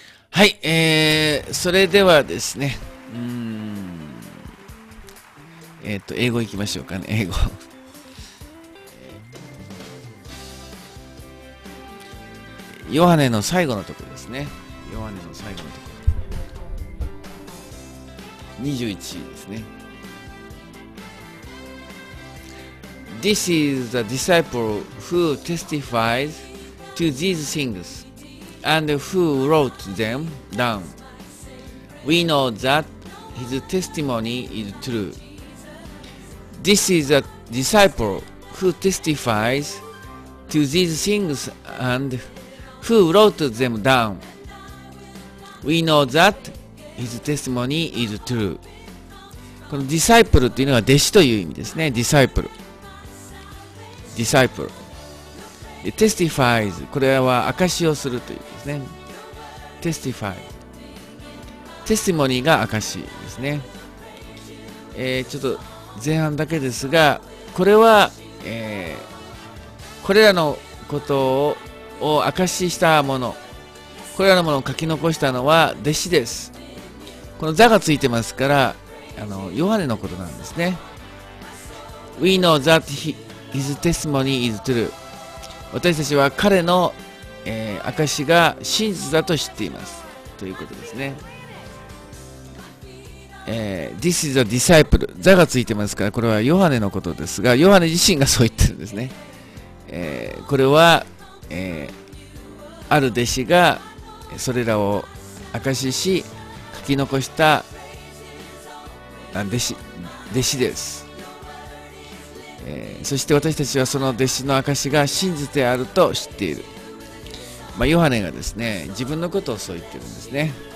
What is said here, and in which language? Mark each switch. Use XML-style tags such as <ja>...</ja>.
<ja>はい、それではですね、英語いきましょうかね。英語ヨハネの最後のところですね。ヨハネの最後のところ21ですね。</ja> <en>This is the disciple who testifies to these things and who wrote them down. We know that his testimony is true. This is the disciple who testifies to these things and who wrote them down. We know that his testimony is true.</en> <ja>このディサイプルというのは弟子という意味ですね。ディサイプル。ディサイプル。testifies。これは証しをするという意味ですね。testify。 testimony が証しですね。ちょっと前半だけですが、これは、これらのことを証ししたもの、これらのものを書き残したのは弟子です。この座がついてますから、ヨハネのことなんですね。</ja> <en>We know that his testimony is true.</en> <ja>私たちは彼の、証が真実だと知っています。ということですね。</ja> <en>This is a disciple.</en> <ja>座がついてますから、これはヨハネのことですが、ヨハネ自身がそう言ってるんですね。これは、ある弟子がそれらを証しし、書き残した弟子です、そして私たちはその弟子の証が真実であると知っている、まあ、ヨハネがですね、自分のことをそう言ってるんですね。</ja>